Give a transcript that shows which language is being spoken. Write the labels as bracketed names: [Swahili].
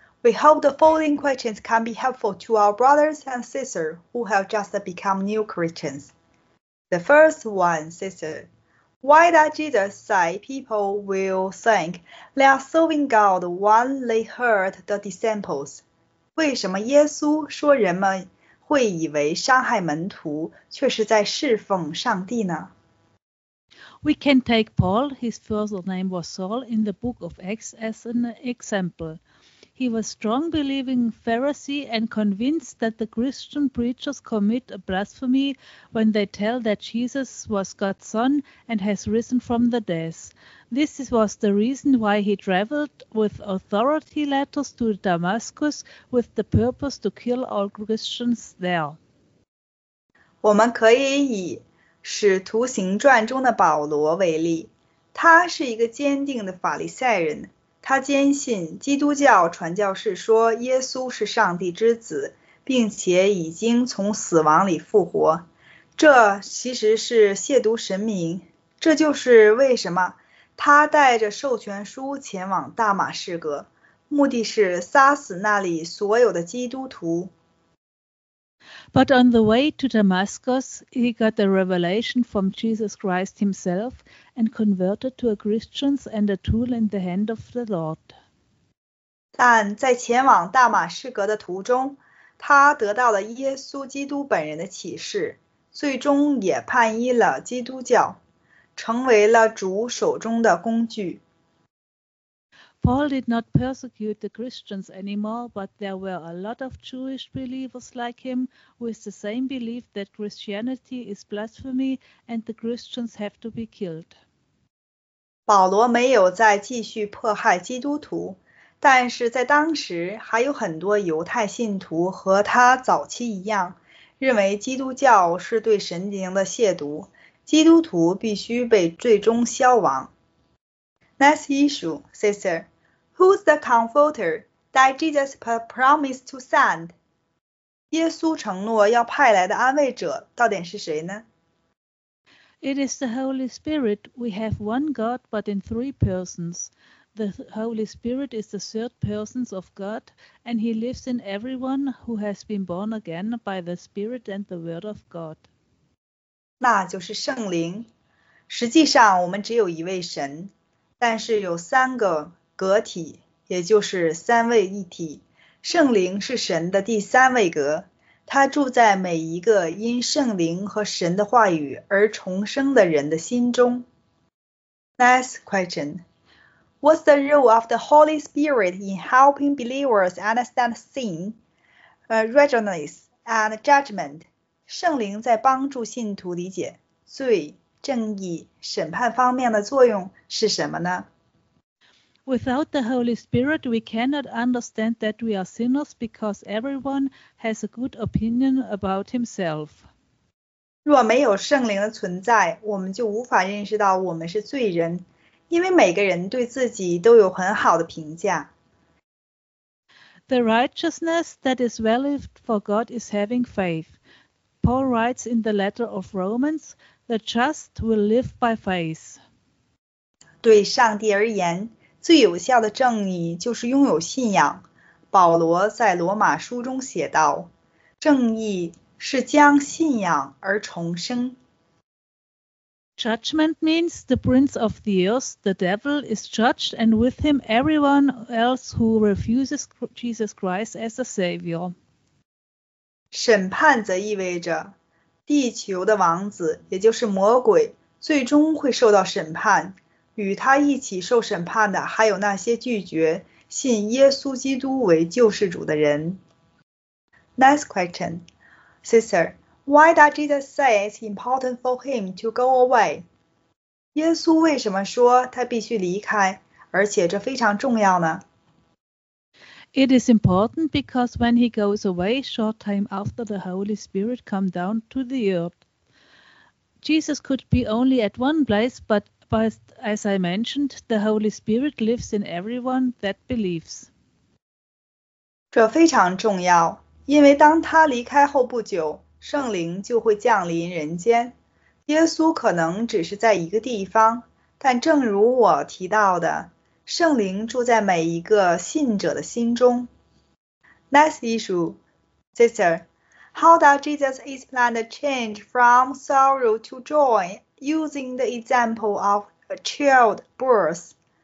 [English] We hope the following questions can be helpful to our brothers and sisters who have just become new Christians. The first one, sister, why does Jesus say people will think they are serving God when they hurt the disciples? [Chinese] 为什么耶稣说人们会以为伤害门徒却是在侍奉上帝呢？ [English] We can take Paul, his first name was Saul, in the book of Acts as an example. He was a strong believing Pharisee and convinced that the Christian preachers commit a blasphemy when they tell that Jesus was God's son and has risen from the dead. This was the reason why he traveled with authority letters to Damascus with the purpose to kill all Christians there. [Chinese] 我们可以以《使徒行传》中的保罗为例，他是一个坚定的法利赛人，他坚信基督教传教士说耶稣是上帝之子，并且已经从死亡里复活，这其实是亵渎神明。这就是为什么他带着授权书前往大马士革，目的是杀死那里所有的基督徒。 [English] But on the way to Damascus, he got a revelation from Jesus Christ himself and converted to a Christian and a tool in the hand of the Lord. [Chinese] 但在前往大马士革的途中，他得到了耶稣基督本人的启示，最终也皈依了基督教，成为了主手中的工具。 [English] Paul did not persecute the Christians anymore, but there were a lot of Jewish believers like him with the same belief that Christianity is blasphemy and the Christians have to be killed. [Chinese] 保罗没有再继续迫害基督徒，但是在当时还有很多犹太信徒和他早期一样，认为基督教是对神灵的亵渎，基督徒必须被最终消亡。 [English] Next issue, sister. Who's the comforter that Jesus promised to send? [Chinese] 耶稣承诺要派来的安慰者到底是谁呢？ [English] It is the Holy Spirit. We have one God, but in three persons. The Holy Spirit is the third person of God, and he lives in everyone who has been born again by the Spirit and the Word of God. [Chinese] 那就是圣灵。实际上我们只有一位神。但是有三个格体，也就是三位一体。圣灵是神的第三位格，他住在每一个因圣灵和神的话语而重生的人的心中。 [English] Next question. What's the role of the Holy Spirit in helping believers understand sin, righteousness, and judgment? [Chinese] 圣灵在帮助信徒理解罪、正义、审判方面的作用是什么呢？ [English] Without the Holy Spirit, we cannot understand that we are sinners because everyone has a good opinion about himself. [Chinese] 若没有圣灵的存在，我们就无法认识到我们是罪人，因为每个人对自己都有很好的评价。 [English] The righteousness that is valid for God is having faith. Paul writes in the letter of Romans, the just will live by faith. [Chinese] 对上帝而言，最有效的正义就是拥有信仰。保罗在罗马书中写道，正义是将信仰而重生。 [English] Judgment means the prince of the earth, the devil, is judged, and with him everyone else who refuses Jesus Christ as a savior. [Chinese] 审判则意味着地球的王子，也就是魔鬼，最终会受到审判。与他一起受审判的还有那些拒绝信耶稣基督为救世主的人。 [English] Next question, sister. Why does Jesus say it's important for him to go away? [Chinese] 耶稣为什么说他必须离开，而且这非常重要呢？ [English] It is important because when he goes away, short time after the Holy Spirit come down to the earth. Jesus could be only at one place, but as I mentioned, the Holy Spirit lives in everyone that believes. [Chinese] 这非常重要，因为当他离开后不久，圣灵就会降临人间。耶稣可能只是在一个地方，但正如我提到的，圣灵住在每一个信者的心中。 [English] Next issue, sister, how does Jesus explain the change from sorrow to joy using the example of a child birth?